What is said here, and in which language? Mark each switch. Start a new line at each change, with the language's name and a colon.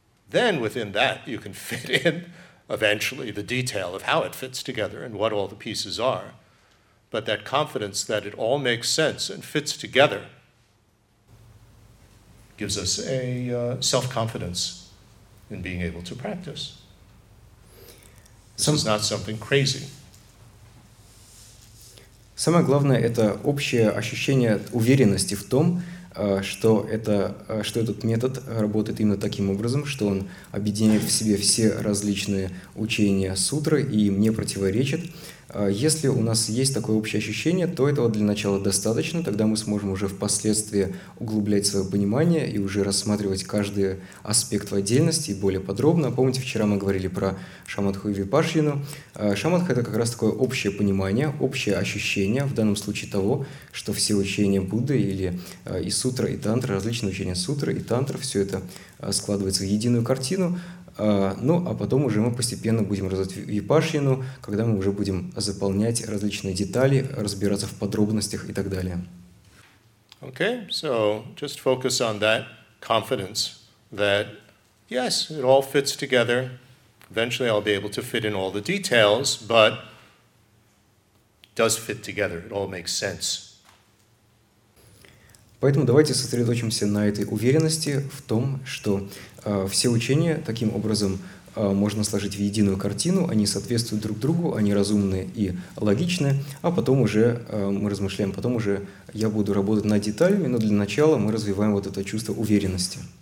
English: Then within that, you can fit in eventually the detail of how it fits together and what all the pieces are. But that confidence that it all makes sense and fits together gives us a self-confidence in being able to practice. This is not something crazy.
Russian: Самое главное – это общее ощущение уверенности в том, что этот метод работает именно таким образом, что он объединяет в себе все различные учения сутры и им не противоречит. Если у нас есть такое общее ощущение, то этого для начала достаточно, тогда мы сможем уже впоследствии углублять свое понимание и уже рассматривать каждый аспект в отдельности более подробно. Помните, вчера мы говорили про шамадху и випашьяну. Шамадха – это как раз такое общее понимание, общее ощущение, в данном случае того, что все учения Будды или и сутра, и тантра, различные учения сутра и тантра, все это складывается в единую картину. Ну, а потом уже мы постепенно будем развивать випашьяну, когда мы уже будем заполнять различные детали, разбираться в подробностях и так далее.
English: Okay, so just focus on that confidence that, yes, it all fits together. Eventually I'll be able to fit in all the details, but it does fit together, it all makes sense.
Russian: Поэтому давайте сосредоточимся на этой уверенности в том, что все учения таким образом можно сложить в единую картину, они соответствуют друг другу, они разумны и логичны, а потом уже мы размышляем, потом уже я буду работать над деталями, но для начала мы развиваем вот это чувство уверенности.